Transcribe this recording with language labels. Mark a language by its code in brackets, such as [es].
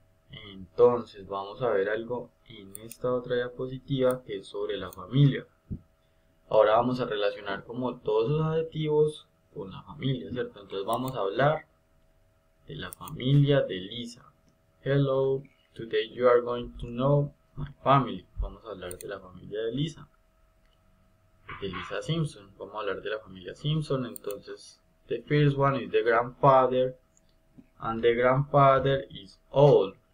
[es] Entonces vamos a ver algo en esta otra diapositiva que es sobre la familia. Ahora vamos a relacionar como todos los adjetivos con la familia, ¿cierto? Entonces vamos a hablar de la familia de Lisa. [en] Hello. Today you are going to know my family. [es] Vamos a hablar de la familia de Lisa. De Lisa Simpson. Vamos a hablar de la familia Simpson. Entonces, [en] the first one is the grandfather. And the grandfather is old.